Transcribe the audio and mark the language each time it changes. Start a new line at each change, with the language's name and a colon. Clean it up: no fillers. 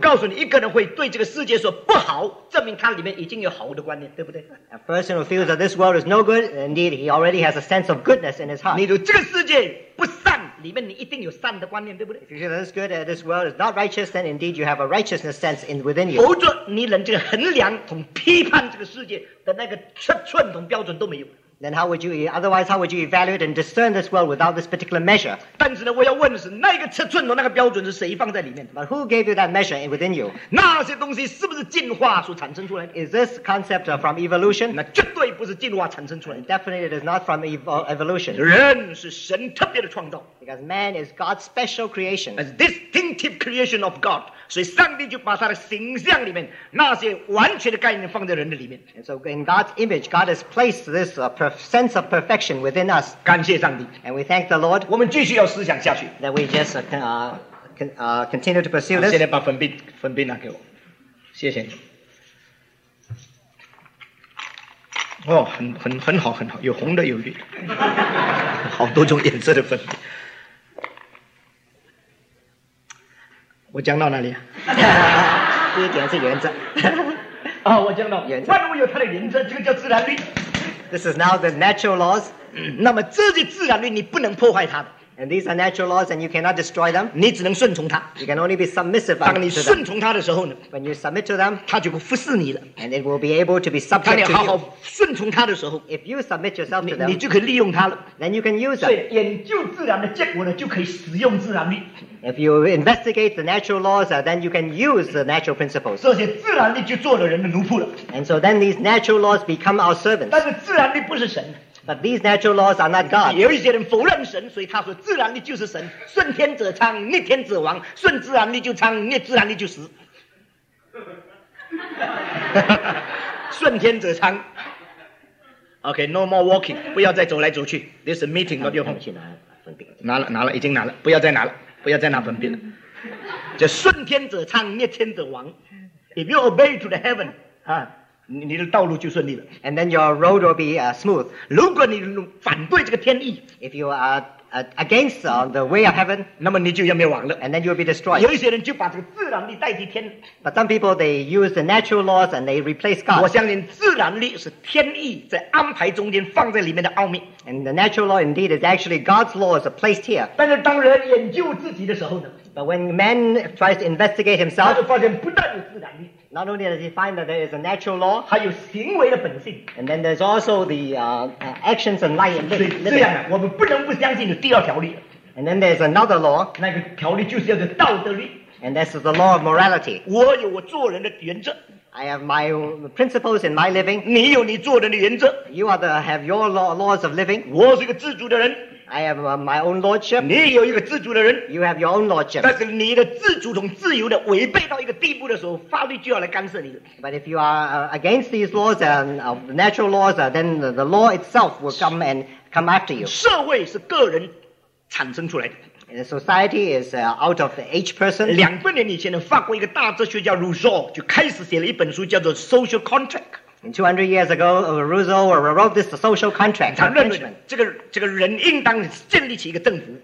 English: A person who feels that this world is no good, indeed he already has a sense of goodness in his heart.
Chinese: 你对这个世界不善,
English: if you feel that it's good, this world is not righteous, then indeed you have a righteousness sense within you.
Chinese: 否则你连这个衡量和批判这个世界的那个尺寸和标准都没有。
English: Then how would you otherwise how would you evaluate and discern this world without this particular measure?
Chinese: 但是呢,我要问的是,那个尺寸和那个标准是谁放在里面?
English: But who gave you that measure within you?
Chinese: 那些东西是不是进化所产生出来的?
English: Is this concept from evolution?
Chinese: 那绝对不是进化产生出来的。
English: Definitely it is not from evolution.
Chinese: 人是神特别的创造。
English: Because man is God's special creation. A distinctive creation of God.
Chinese: 所以上帝就把他的形象里面那些完全的概念放在人的里面。
English: And so in God's image, God has placed this sense of perfection within us.
Chinese: 感谢上帝。
English: And we thank the Lord.
Chinese: 我们继续要思想下去。
English: That we just continue to pursue this.
Chinese: 现在把粉笔拿给我。谢谢你。哦，很好，有红的有绿的，好多种颜色的粉笔。我讲到哪里啊？第一点是原则。哦，我讲到原则。万物有它的原则，这个叫自然律。
English: This is now the natural laws。
Chinese: 那么这些自然律你不能破坏它的。
English: And these are natural laws, and you cannot destroy them.
Chinese: 你只能顺从它。
English: You can only be submissive.
Chinese: 当你顺从它的时候呢
English: ？When you submit to them,
Chinese: 它就服侍你了。
English: And it will be able to be subject to you.
Chinese: 当你好好顺从它的时候
English: ，If you submit yourself to them,
Chinese: 你就可以利用它了。
English: Then you can use it.
Chinese: 所以研究自然的结果呢，就可以使用自然律。
English: If you investigate the natural laws, then you can use the natural principles.
Chinese: 这些自然律就做了人的奴仆了。
English: And so then these natural laws become our servants.
Chinese: 但是自然律不是神。
English: But these natural laws are not God.
Chinese: 有一些人否认神，所以他说自然力就是神。顺天者昌，逆天者亡。顺自然力就昌，逆自然力就死。顺天者昌。
English: Okay, no more walking.
Chinese: 不要再走来走去。
English: This meeting got your home.
Chinese: 拿了，已经拿了，不要再拿了，不要再拿粉笔了。就顺天者昌，逆天者亡。
English: If you obey to the heaven,
Chinese: 你的道路就顺利了。
English: And then your road will be smooth.
Chinese: 如果你反对这个天意
English: ，if you are against the way of heaven，
Chinese: 那么你就要灭亡了。
English: And then you will be destroyed.
Chinese: 有一些人就把这个自然力代替天。
English: But some people they use the natural laws and they replace God.
Chinese: 我相信自然力是天意在安排中间放在里面的奥秘。
English: And the natural law indeed is actually God's laws placed here.
Chinese: 但是当人研究自己的时候呢
English: ？But when man tries to investigate himself，
Chinese: 他就发现不但有自然力。
English: Not only does he find that there is a natural law,
Chinese: 还有行为的本性
English: and then there's also the actions and life.
Chinese: 所以这样呢，我们不能不相信有第二条律
English: And then there's another law.
Chinese: 那个条律就是叫做道德律
English: And this is the law of morality.
Chinese: 我有我做人的原则
English: I have my principles in my living.
Chinese: 你有你做人的原则
English: You are the, have your laws of living.
Chinese: 我是一个自主的人
English: I have my own lordship.
Chinese: 你有一个自主的人
English: You have your own lordship.
Chinese: 但是你的自主同自由的违背到一个地步的时候，法律就要来干涉你了。
English: But if you are against these laws and natural laws, then the law itself will come and come after you.
Chinese: 社会是个人产生出来的。
English: And society is out of each person.
Chinese: 200年以前呢，法国一个大哲学家 Rousseau 就开始写了一本书，叫做《Social Contract》。
English: 200 years ago, Rousseau wrote this social contract.
Chinese: 他认为这个人应当建立起一个政府。